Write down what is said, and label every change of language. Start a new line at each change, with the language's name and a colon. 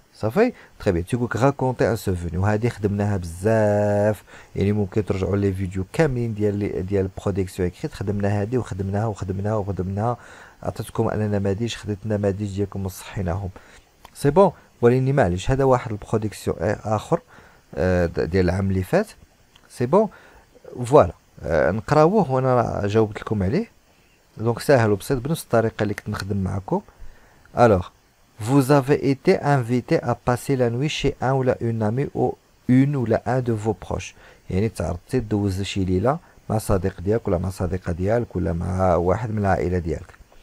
Arabic: صافي تري بيان، تيقول لك راكونتي ان سوفوني، وهادي خدمناها بزاف، يعني ممكن ترجعوا لي فيديو كاملين ديال بروديكسيون اكريت، خدمنا هادي وخدمناها وخدمناها وخدمناها، عطيتكم انا نماذج، خديت النماذج ديالكم وصحيناهم. سي بون، وليني معليش هذا واحد البروديكسيون اخر ديال العام اللي فات. سي بون فوالا، نقراوه وانا جاوبت لكم عليه، دونك ساهل وبسيط بنفس الطريقه اللي كنت نخدم معكم.
French: الوغ Vous avez été invité à passer la nuit chez un ou la une amie ou une ou la un de vos proches.
Arabic: يعني تعرضتي دوز شي ليله مع صديق ديالك ولا مع صديقه ديالك ولا مع واحد من العائله ديالك.